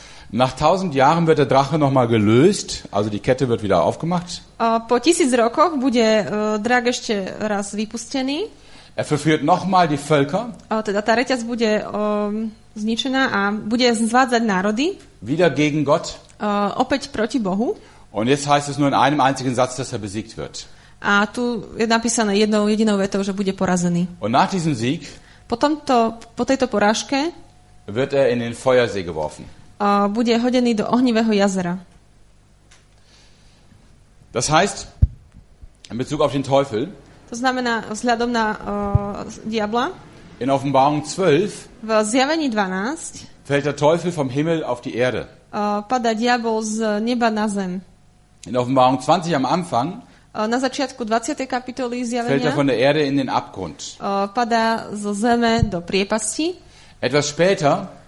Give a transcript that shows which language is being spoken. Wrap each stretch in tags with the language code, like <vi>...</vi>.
<de>Nach 1000 Jahren wird der Drache nochmal gelöst, also die Kette wird wieder aufgemacht.</de> <sk>Po 1000 rokoch bude drak ešte raz vypustený.</sk> <de>Er verführt nochmal die Völker.</de> <sk>Teda tá reťaz bude zničená a bude zvádzať národy.</sk> <de>Wieder gegen Gott.</de> <sk>Opäť proti Bohu.</sk> <de>Und jetzt heißt es nur in einem einzigen Satz, dass er besiegt wird.</de> <sk>A tu je napísané jednou jedinou vetou, že bude porazený.</sk> <de>Und nach diesem Sieg,</de> <sk>po tejto porážke,</sk> <de>wird er in den Feuersee geworfen.</de> <sk>Bude hodený do ohnivého jazera.</sk> <de>Das heißt, in Bezug auf den Teufel,</de> <sk>to znamená vzhľadom na diabla,</sk> <de>in Offenbarung 12,</de> <sk>v Zjavení 12, v</sk> <de>fällt der Teufel vom Himmel auf die Erde.</de> <sk>Pada diabol z nieba na zem.</sk> <de>In Offenbarung 20 am Anfang</de> <sk>na začiatku 20. kapitoly zjavenia</sk> <de>fällt er von der Erde in den Abgrund.</de> <sk>Pada zo zeme do priepasti.</sk> <de>Etwas später</de>